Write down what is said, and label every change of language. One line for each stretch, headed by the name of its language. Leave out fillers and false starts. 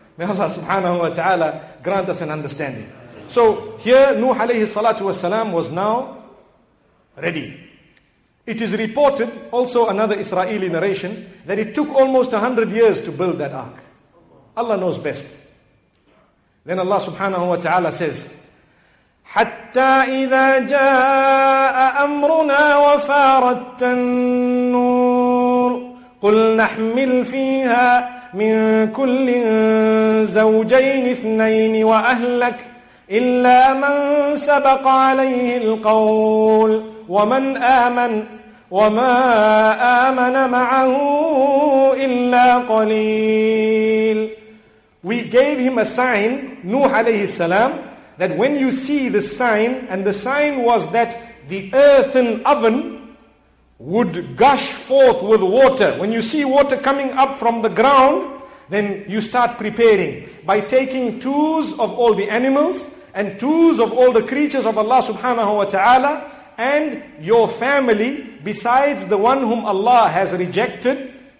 English: May Allah subhanahu wa ta'ala grant us an understanding. So here Nuh alayhi salatu wasalam was now ready. It is reported, also another Israeli narration, that it took almost 100 years to build that ark. Allah knows best. Then Allah subhanahu wa ta'ala says,
Arabic: حَتَّى إِذَا جَاءَ أَمْرُنَا وَفَارَتَ النُّورُ قُلْ نَحْمِلْ فِيهَا مِنْ كُلٍّ زَوْجَيْنِ اثْنَيْنِ وَأَهْلَكَ إِلَّا مَنْ سَبَقَ عَلَيْهِ الْقَوْلِ وَمَنْ آمَنَ وَمَا آمَنَ مَعَهُ إِلَّا قَلِيلٌ.
English: We gave him a sign, Nuh alayhi salam, that when you see the sign, and the sign was that the earthen oven would gush forth with water. When you see water coming up from the ground, then you start preparing by taking twos of all the animals and twos of all the creatures of Allah subhanahu wa ta'ala and your family besides the one whom Allah has rejected.